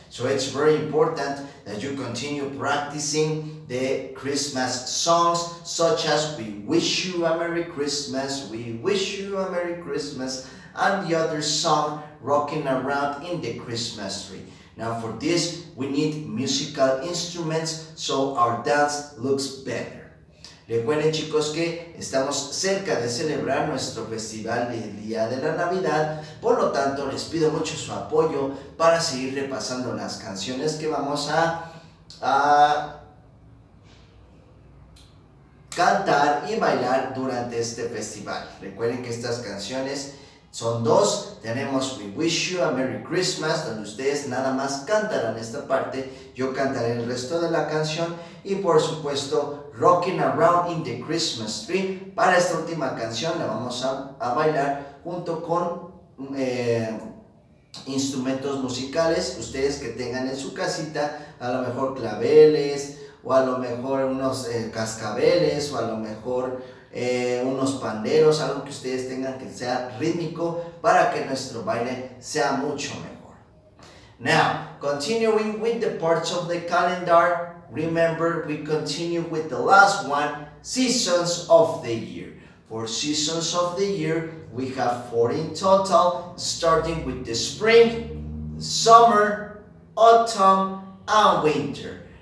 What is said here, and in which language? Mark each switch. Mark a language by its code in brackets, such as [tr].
[en] So it's very important that you continue practicing the Christmas songs, such as "We Wish You a Merry Christmas," "We Wish You a Merry Christmas," and the other song, "Rocking Around in the Christmas Tree." Now for this, we need musical instruments so our dance looks better. [es] Recuerden, chicos, que estamos cerca de celebrar nuestro festival del Día de la Navidad, por lo tanto les pido mucho su apoyo para seguir repasando las canciones que vamos a cantar y bailar durante este festival. Recuerden que estas canciones son dos. Tenemos "We Wish You a Merry Christmas", donde ustedes nada más cantarán esta parte, yo cantaré el resto de la canción, y por supuesto "Rocking Around in the Christmas Tree". Para esta última canción la vamos a bailar junto con instrumentos musicales, ustedes que tengan en su casita, a lo mejor claveles, o a lo mejor unos cascabeles, o a lo mejor unos panderos, algo que ustedes tengan que sea rítmico para que nuestro baile sea mucho mejor. [en] Now, continuing with the parts of the calendar, remember we continue with the last one, seasons of the year. For seasons of the year, we have 4 in total, starting with the spring, summer, autumn, and winter.